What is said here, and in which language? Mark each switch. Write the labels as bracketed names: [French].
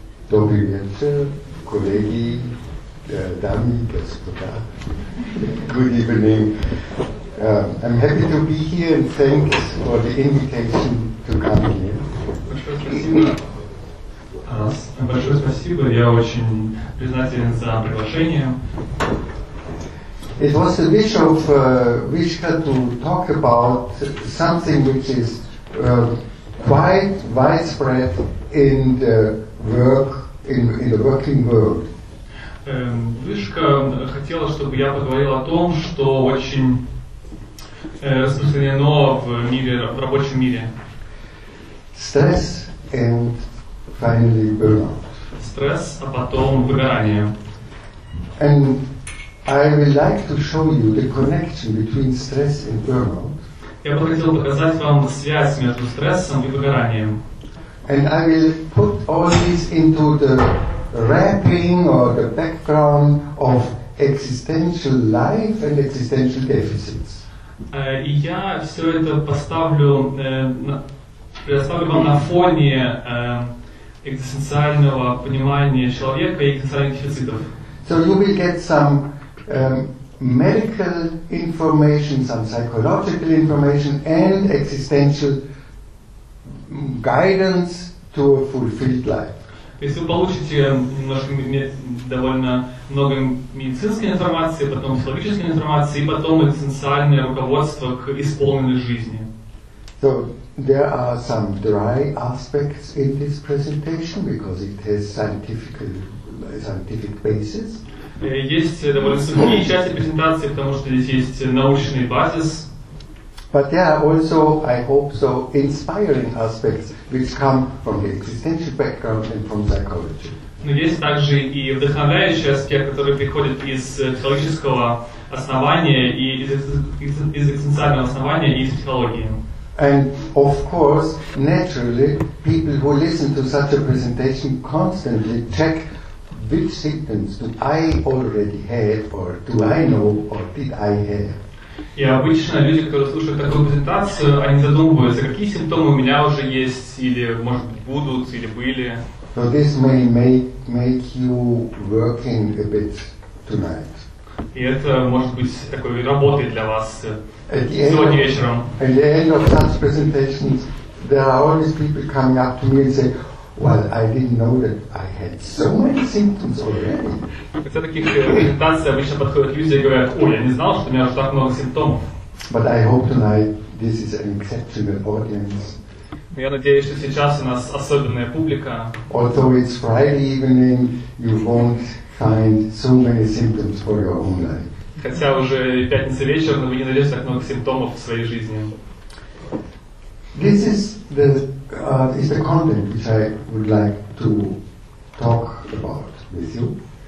[Russian] Добрый вечер, коллеги, дамы и господа. [English] Good evening. I'm happy to be here and thanks for the invitation to come here. [Russian] Большое спасибо. Я очень признателен за приглашение. [English] It was the wish of Vishka to talk about something which is quite widespread in the work in the working world. [Russian] Вишка хотела, чтобы я поговорил о том, что очень распространено в мире, в рабочем мире. [English] Stress and finally burnout. [Russian] Стресс, а потом выгорание. [English] And I would like to show you the connection between stress and burnout. [Russian] Я бы хотел показать вам связь между стрессом и выгоранием. [English] And I will put all this into the wrapping or the background of existential life and existential deficits. [Russian] И я все это поставлю, предоставлю вам на фоне экзистенциального понимания человека и экзистенциальных дефицитов. [English] So you will get some medical information, some psychological information and existential guidance to a fulfilled life. [Russian] То есть вы получите немножко, довольно много медицинской информации, потом психологической информации, и потом экзистенциальное руководство к исполненной жизни. [English] So there are some dry aspects in this presentation because it has scientific basis. [Russian] Есть довольно сухие части презентации, потому что здесь есть научный базис. [English] But there are also, I hope so, inspiring aspects which come from the existential background and from psychology. [Russian] Но есть также и вдохновляющие аспекты, которые приходят из психологического основания и из экзистенциального основания и из психологии. [English] And of course, naturally, people who listen to such a presentation constantly check which symptoms do I already have, or do I know, or did I have. [Russian] И обычно люди, которые слушают такую презентацию, они задумываются, какие симптомы у меня уже есть, или, может быть, будут, или были. [English] So this may make you working a bit tonight. [Russian] И это, может быть, такой работой для вас сегодня вечером. [English] At the end of such presentations, there are always people coming up to me and say, well, I didn't know that I had so many symptoms already. [Russian] Хотя таких презентаций обычно подходят люди и говорят, ой, я не знал, что у меня уже так много симптомов. [English] But I hope tonight this is an exceptional audience. [Russian] Я надеюсь, что сейчас у нас особенная публика. [English] Although it's Friday evening, you won't find so many symptoms for your own life. [Russian] Хотя уже пятница вечером, но вы не найдете так много симптомов в своей жизни. [English] This is the is the content which I would like to talk about with you.